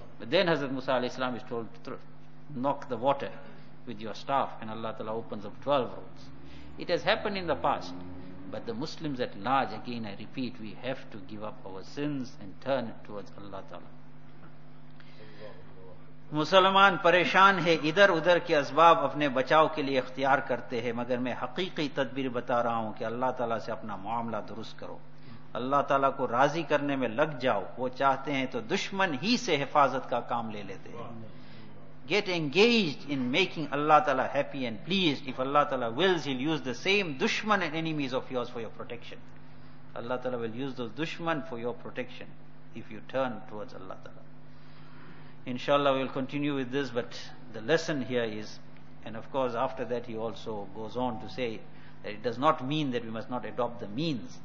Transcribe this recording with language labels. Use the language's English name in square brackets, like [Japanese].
[English] But then Hazrat Musa alayhi salam is told to knock the water with your staff and Allah Ta'ala opens up 12 roads. It has happened in the past. But the Muslims at large, again I repeat, we have to give up our sins and turn towards Allah Ta'ala. [Urdu] مسلمان پریشان ہے ادھر ادھر کے اسباب اپنے بچاؤ کے لیے اختیار کرتے ہیں مگر میں حقیقی تدبیر بتا رہا ہوں کہ اللہ تعالیٰ سے اپنا معاملہ درست کرو, اللہ تعالیٰ کو راضی کرنے میں لگ جاؤ. وہ چاہتے ہیں تو دشمن ہی سے حفاظت کا کام لے لیتے ہیں. [English] Get engaged in making Allah Ta'ala happy and pleased. If Allah Ta'ala wills, He'll use the same dushman and enemies of yours for your protection. Allah Ta'ala will use those dushman for your protection if you turn towards Allah Ta'ala. Inshallah, we will continue with this, but the lesson here is, and of course after that he also goes on to say that it does not mean that we must not adopt the means.